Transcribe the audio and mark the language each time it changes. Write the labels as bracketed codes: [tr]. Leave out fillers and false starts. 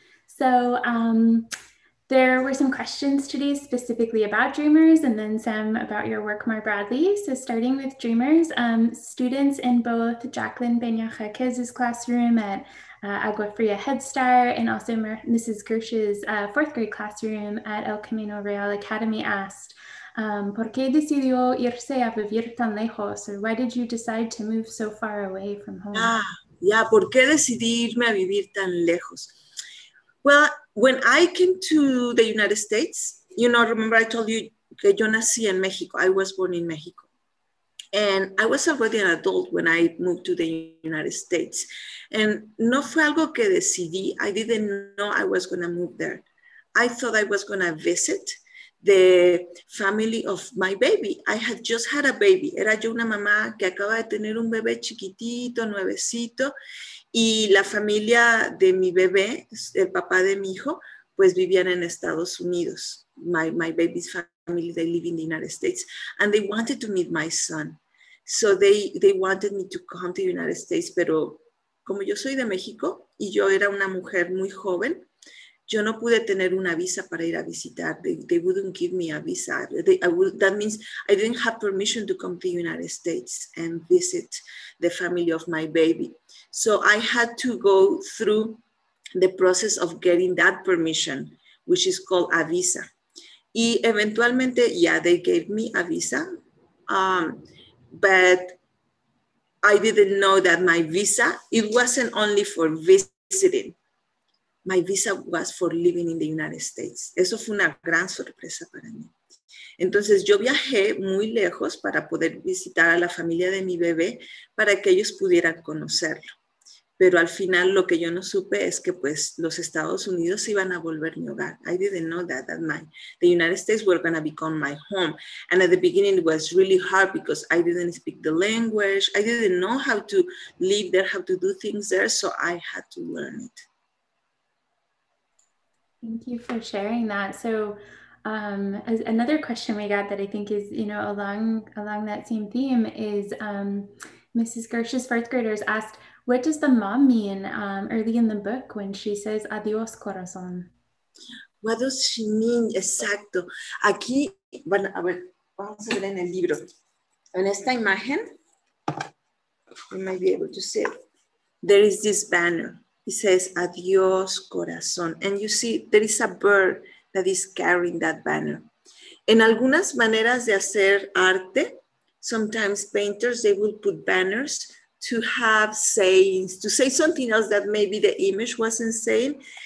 [en] So there were some questions today specifically about dreamers and then some about your work more broadly. So starting with dreamers, students in both Jacqueline Beña-Jaquez's classroom at Agua Fria Head Start and also Mrs. Gersh's fourth grade classroom at El Camino Real Academy asked, [es] ¿Por qué decidió irse a vivir tan lejos? [en] Or why did you decide to move so far away from home? [es] Yeah, ¿por qué decidí irme a vivir tan lejos? [en] Well, when I came to the United States, you know, remember I told you [es] que yo nací en México. [en] I was born in Mexico. And I was already an adult when I moved to the United States. And [es] no fue algo que decidí. [en] I didn't know I was going to move there. I thought I was going to visit the family of my baby. I had just had a baby. [es] Era yo una mamá que acaba de tener un bebé chiquitito, nuevecito, y la familia de mi bebé, el papá de mi hijo, pues vivían en Estados Unidos. [en] My baby's family, they live in the United States, and they wanted to meet my son. So they wanted me to come to the United States, [es] pero como yo soy de México y yo era una mujer muy joven, yo no pude tener una visa para ir a visitar. [en] They wouldn't give me a visa. That means I didn't have permission to come to the United States and visit the family of my baby. So I had to go through the process of getting that permission, which is called a visa. [es] Y eventualmente, [en] yeah, they gave me a visa. But I didn't know that my visa, it wasn't only for visiting. My visa was for living in the United States. [es] Eso fue una gran sorpresa para mí. Entonces yo viajé muy lejos para poder visitar a la familia de mi bebé para que ellos pudieran conocerlo. Pero al final lo que yo no supe es que pues los Estados Unidos se iban a volver mi hogar. [en] I didn't know that the United States were going to become my home. And at the beginning it was really hard because I didn't speak the language. I didn't know how to live there, how to do things there. So I had to learn it. Thank you for sharing that. So as another question we got that I think is, you know, along that same theme is Mrs. Gersh's fourth graders asked, what does the mom mean early in the book when she says, [es] adios, corazón? [en] What does she mean? Exacto. [es] Aquí, bueno, a ver, vamos a ver en el libro. En esta imagen, [en] you might be able to see it. There is this banner. It says, [es] adios, corazón. [en] And you see, there is a bird that is carrying that banner. [es] En algunas maneras de hacer arte, [en] sometimes painters, they will put banners to have sayings, to say something else that maybe the image wasn't saying.